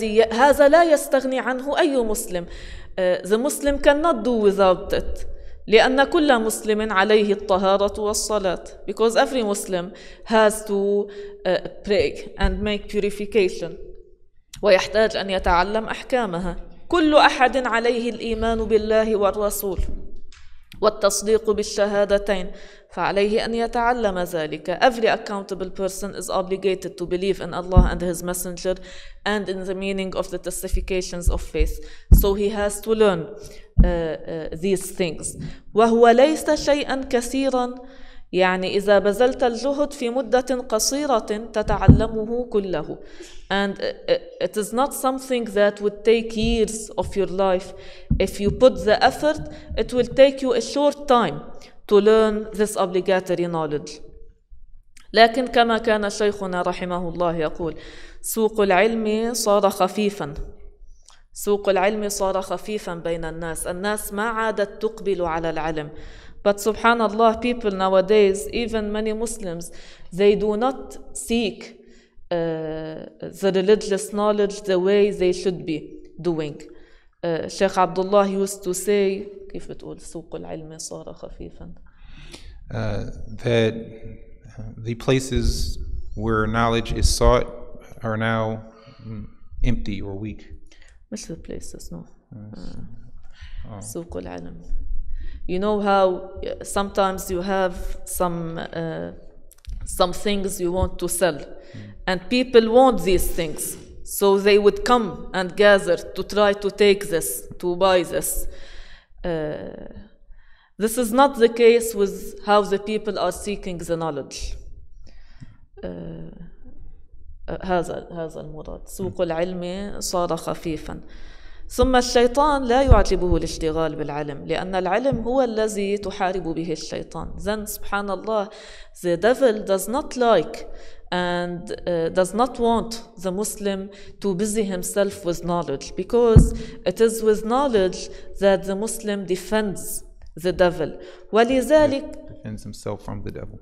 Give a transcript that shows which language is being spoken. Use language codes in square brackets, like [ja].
[ar] هذا لا يستغني عنه أي مسلم. [en] The Muslim cannot do without it. لأن كل مسلم عليه الطهارة والصلاة. Because every Muslim has to pray and make purification. [ar] ويحتاج أن يتعلم أحكامها. كل أحد عليه الإيمان بالله والرسول والتصديق بالشهادتين فعليه أن يتعلم ذلك. [en] Every accountable person is obligated to believe in Allah and His Messenger and in the meaning of the testifications of faith. So he has to learn these things. [ar] وهو ليس شيئا كثيرا, يعني إذا بذلت الجهد في مدة قصيرة تتعلمه كله. [en] And it is not something that would take years of your life. If you put the effort, it will take you a short time to learn this obligatory knowledge. [ar] لكن كما كان شيخنا رحمه الله يقول, سوق العلم صار خفيفا. سوق العلم صار خفيفا بين الناس. الناس ما عادت تقبل على العلم. [en] But subhanAllah, people nowadays, even many Muslims, they do not seek the religious knowledge the way they should be doing. Sheikh Abdullah used to say, [ar] كيف بتقول سوق العلم صار خفيفا. [en] that the places where knowledge is sought are now empty or weak. [ar] مش [en] the places, no. [ar] سوق العلم. [en] You know how sometimes you have some things you want to sell, and people want these things, so they would come and gather to try to take this, to buy this. This is not the case with how the people are seeking the knowledge. [ar] هذا المراد. سوق العلم صار خفيفا. ثم الشيطان لا يعجبه الاشتغال بالعلم لأن العلم هو الذي تحارب به الشيطان. [en] Then سبحان الله, the devil does not like and does not want the Muslim to busy himself with knowledge, because it is with knowledge that the Muslim defends the devil. [ar] ولذلك [en] defends himself from the devil.